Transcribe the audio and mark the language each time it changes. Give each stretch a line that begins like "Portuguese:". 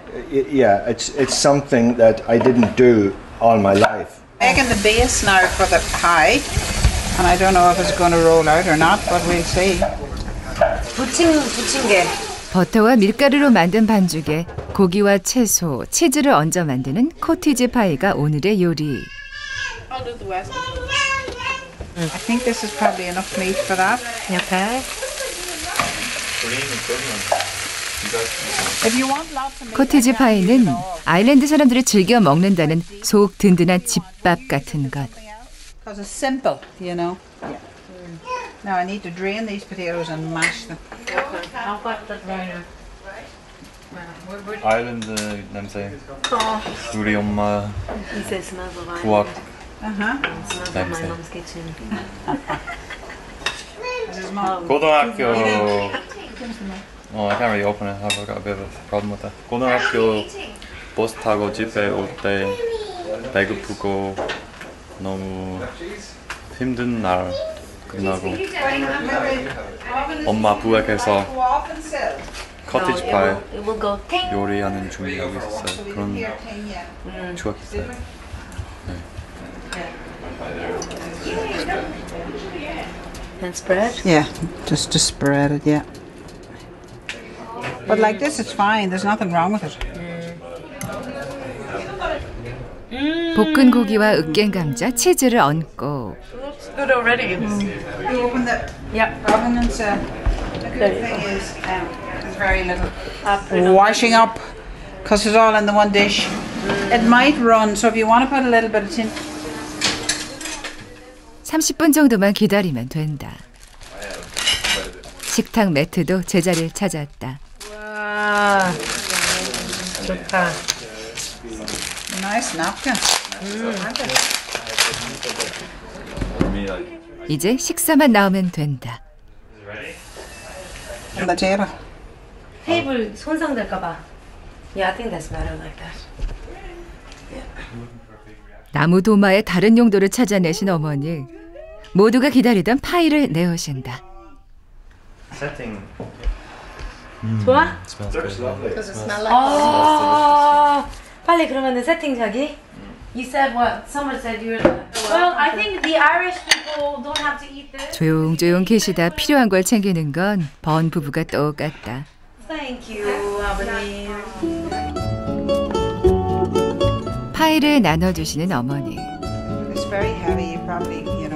English: It's something that I didn't do all my life. Making the base now for the pie, and I don't know if it's going to roll out or not, but we'll see.
Korean: 부침개. 버터와 밀가루로 만든 반죽에 고기와 채소, 치즈를 얹어 만드는 코티지 파이가 오늘의 요리.
English: I think this is probably enough meat for that. Okay. If you want lots of meat.
Korean: 코티지 파이는 아일랜드 사람들이 즐겨 먹는다는 속 든든한 집밥 같은 것.
English: Because it's simple, you know. Yeah. Now I need to drain these potatoes and mash them. I've got the drainer.
Korean: 아일랜드 냄새. 우리 엄마.
English: He says smells of Ireland.
Korean: 부엌.
English: Uh-huh. Oh, smells like my mom's kitchen.
Korean: 고등학교.
English: Oh, I can't really open it. I've got a bit of a problem with that.
Korean: 고등학교 버스 타고 집에 올 때 배고프고 너무 힘든 날 끝나고 엄마 부엌에서 커티지 파이 요리하는 준비하고 있었어요. 그런 추억했어요. 네. 예,
English: just spread it, yeah. But like this, it's fine. There's nothing wrong with it.
Korean: 볶은 고기와 으깬 감자, 치즈를 얹고.
English: Looks good already. You open the provenance. The good thing is, it's very little. Washing up, because it's all in the one dish. It might run, so if you want to put a little bit of tin.
Korean: 30분 정도만 기다리면 된다. 식탁 매트도 제자리를 찾았다. 와, 좋다.
English: Nice napkin.
Korean: 이제 식사만 나오면 된다.
English: On the table.
Korean: 테이블 손상될까 봐.
English: Yeah, I think that's better like that.
Korean: 나무 도마에 다른 용도를 찾아내신 어머니. 모두가 기다리던 파이를 내오신다. 세팅. 좋아?
English: Because it smells like.
Korean: 빨리 그러면은 세팅 자기.
English: You said what? Someone said you're. Well, I think the Irish people don't have to eat this.
Korean: 조용조용 계시다 필요한 걸 챙기는 건 번 부부가 똑같다.
English: Thank you,
Korean: 아버님. 파이를 나눠주시는 어머니.
English: It's very heavy, you probably.